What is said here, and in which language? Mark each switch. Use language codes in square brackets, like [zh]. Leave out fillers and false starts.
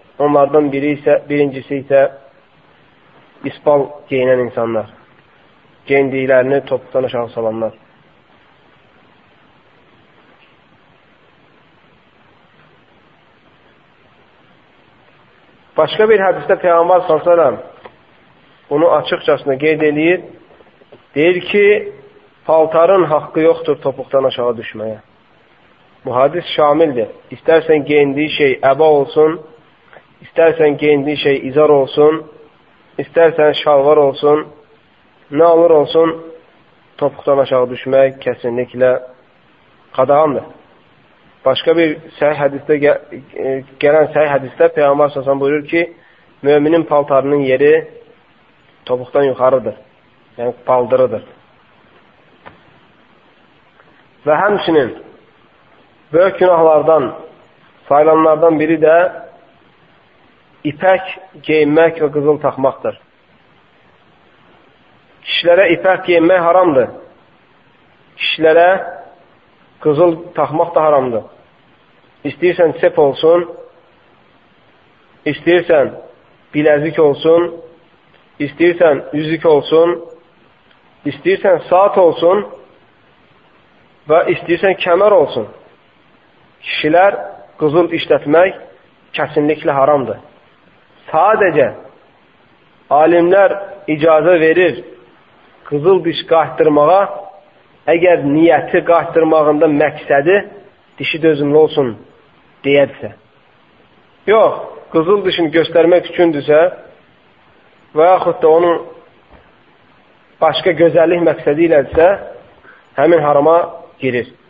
[az] Onlardan biri isə, birincisi isə ispal geyinən insanlar. Geyindiklərini topuqdan aşağı salanlar. Başqa bir hədisdə Peyğəmbər s.ə.v. bunu açıqcasına qeyd edir. Deyir ki, paltarın haqqı yoxdur topuqdan aşağı düşməyə. Bu hadis şamildir. İstərsən geyindiyi şey əba olsun, istərsən geyindiyi şey izar olsun, istərsən şalvar olsun, nə olur olsun, topuqdan aşağı düşmək kəsinliklə qadağandır. Başqa bir səhih hədisdə gələn səhih hədisdə Peyğəmbər s.ə.s. buyurur ki, müminin paltarının yeri topuqdan yuxarıdır, yəni paldırıdır. Və həmçinin [tr] Böyük günahlardan sayılanlardan biri de ipek giyinmek ve kızıl takmaktır. Kişilere ipek giyinmek haramdır. Kişilere kızıl takmak da haramdır. İstersen sep olsun, istersen bilezik olsun, istersen yüzük olsun, istersen saat olsun ve istersen kemer olsun. Kişiler kızıl işletmek kesinlikle haramdır. Sadece alimler icazı verir kızıl diş kaçtırmağa, eğer niyeti kaçtırmağında məqsədi dişi dözümlü olsun deyirsə. Yox, kızıl dişini göstermek üçündürsə veyahut da onun başka gözellik məqsədiyləsə həmin harama girir.